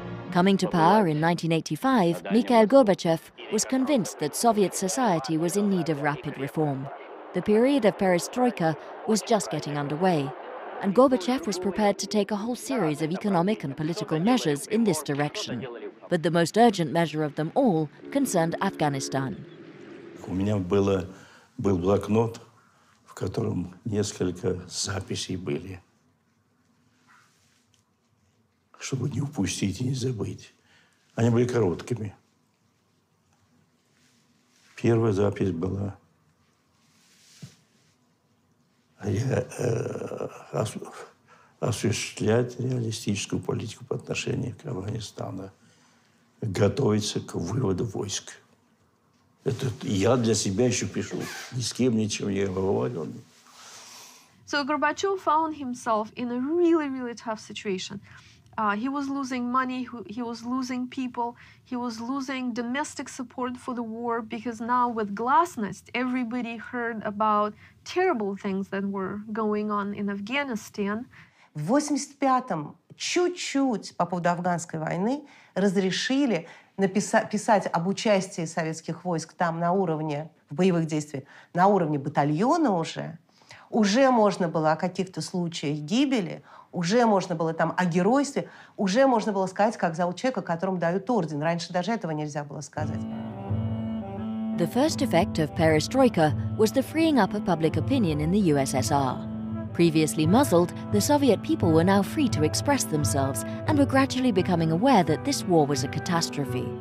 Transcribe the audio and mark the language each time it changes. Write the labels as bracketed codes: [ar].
[en] Coming to power in 1985, Mikhail Gorbachev was convinced that Soviet society was in need of rapid reform. The period of perestroika was just getting underway, and Gorbachev was prepared to take a whole series of economic and political measures in this direction. But the most urgent measure of them all concerned Afghanistan. [ru] У меня было был блокнот, в котором несколько записей были, чтобы не упустить и не забыть. Они были короткими. Первая запись была: осуществлять реалистическую политику по отношению к Афганистану. Готовиться к выводу войск. Это я для себя еще пишу. Ни с кем, ничем не говорил. [en] So Gorbachev found himself in a really, really tough situation. He was losing money, he was losing people, he was losing domestic support for the war, because now with Glasnost, everybody heard about terrible things that were going on in Afghanistan. [ru] В 85-м чуть-чуть по поводу афганской войны разрешили писать об участии советских войск там на уровне в боевых действиях, на уровне батальона уже. Уже можно было о каких-то случаях гибели, уже можно было там о геройстве, уже можно было сказать, как зовут человека, которому дают орден. Раньше даже этого нельзя было сказать. [en] The first effect of perestroika was the freeing up of public opinion in the USSR. Previously muzzled, the Soviet people were now free to express themselves and were gradually becoming aware that this war was a catastrophe.